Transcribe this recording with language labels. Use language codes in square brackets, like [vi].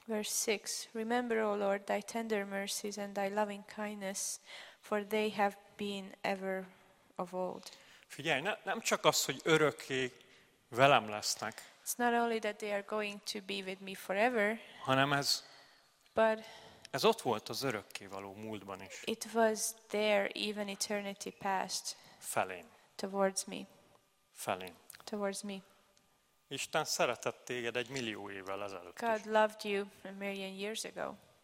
[en] Verse 6. Remember, O Lord, thy tender mercies and thy loving kindness, for they have been ever of old. [hu] Figyelj, nem csak az, hogy örökké velem lesznek. [en] It's not only that they are going to be with me forever. [hu] Hanem ez. [en] But [hu] ez ott volt az örökké való múltban is. [en] It was there even eternity past. [hu] Felén. [en] Towards me. [hu] Felén. [en] Towards me. [hu] Isten szeretett téged egy millió évvel ezelőtt. [en] God loved you a million years ago.